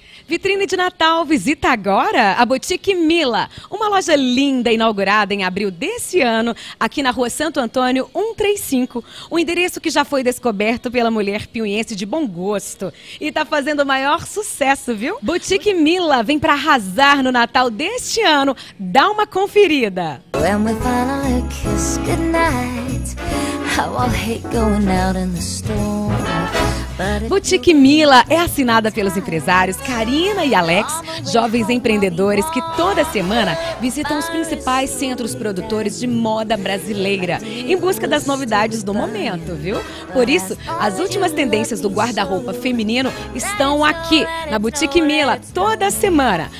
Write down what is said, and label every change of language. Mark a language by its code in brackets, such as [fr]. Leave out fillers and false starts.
[pt] Vitrine de Natal, visita agora a Boutique Mila, uma loja linda inaugurada em abril desse ano, aqui na Rua Santo Antônio 135, um endereço que já foi descoberto pela mulher piuiense de bom gosto e tá fazendo o maior sucesso, viu? Boutique Mila, vem pra arrasar no Natal deste ano, dá uma conferida. [en] When we finally kiss goodnight, how I'll hate going out in the storm. [pt] Boutique Mila é assinada pelos empresários Karina e Alex, jovens empreendedores que toda semana visitam os principais centros produtores de moda brasileira em busca das novidades do momento, viu? Por isso, as últimas tendências do guarda-roupa feminino estão aqui, na Boutique Mila, toda semana.